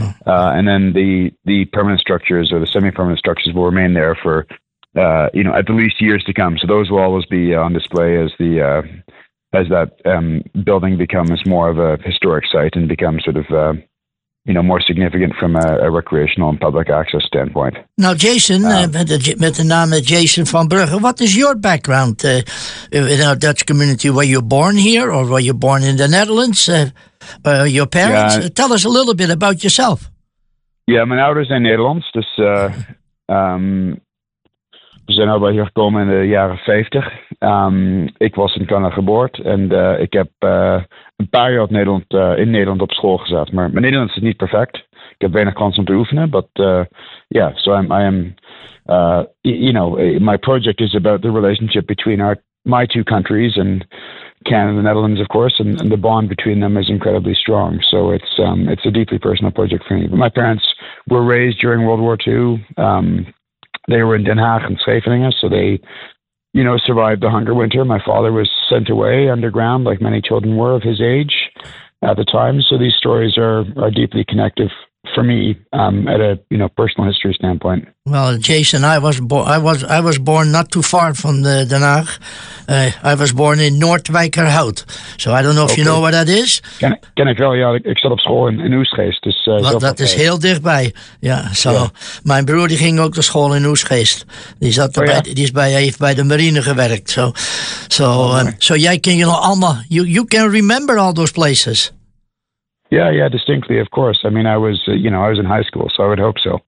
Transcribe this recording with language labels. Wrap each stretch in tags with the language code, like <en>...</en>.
<en>And then the permanent structures or the semi-permanent structures will remain there for, you know, at the least years to come. So those will always be on display as the as that building becomes more of a historic site and becomes sort of, you know, more significant from a recreational and public access standpoint. Now, Jason, met the name Jason van Brugge, what is your background in our Dutch community? Were you born here or were you born in the Netherlands? Your parents? Yeah. Tell us a little bit about yourself.</en> <nl>Yeah, mijn ouders zijn Nederlands. Dus we zijn al bij hier gekomen in de jaren 50. Ik was in Canada geboord en ik heb een paar jaar in Nederland op school gezet. Maar mijn Nederlands is niet perfect. Ik heb weinig kans om te oefenen.</nl> <en>But yeah, so I am, my project is about the relationship between my two countries and Canada and the Netherlands, of course, and the bond between them is incredibly strong. So it's a deeply personal project for me. But my parents were raised during World War II. They were in Den Haag and Scheveningen, so they, you know, survived the hunger winter. My father was sent away underground, like many children were of his age at the time. So these stories are deeply connected for me at a, you know, personal history standpoint. Well, Jason, I was born not too far from the Den Haag. I was born in Noordwijkerhout. So I don't know if you know where that is. Can I tell you?</en> <nl>Ik zat op school in Oostgeest. Dus, dat is heel dichtbij. Ja,</nl> <en>so yeah.</en> <nl>Mijn broer die ging ook naar school in Oostgeest. Die zat heeft bij de marine gewerkt. So jij kan je nog allemaal.</nl> <en>You can remember all those places. Yeah, distinctly, of course. I mean, I was, you know, I was in high school, so I would hope so.</en>